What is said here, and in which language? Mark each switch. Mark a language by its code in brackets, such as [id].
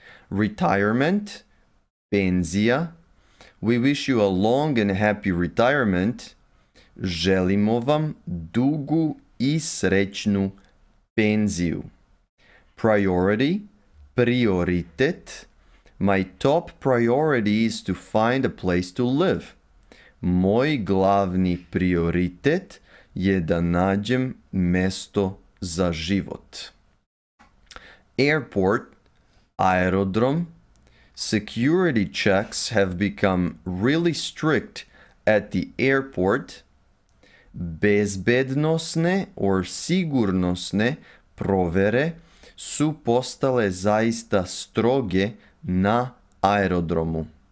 [en] Retirement, penzija. We wish you a long and happy retirement. [sr] Želimo vam dugu i srećnu penziju. [en] Priority, prioritet. My top priority is to find a place to live. [sr] Moj glavni prioritet je da nađem mesto za život. [en] Airport, aerodrom. Security checks have become really strict at the airport. [sr] Bezbednosne or sigurnosne provere su postale zaista stroge na aerodromu.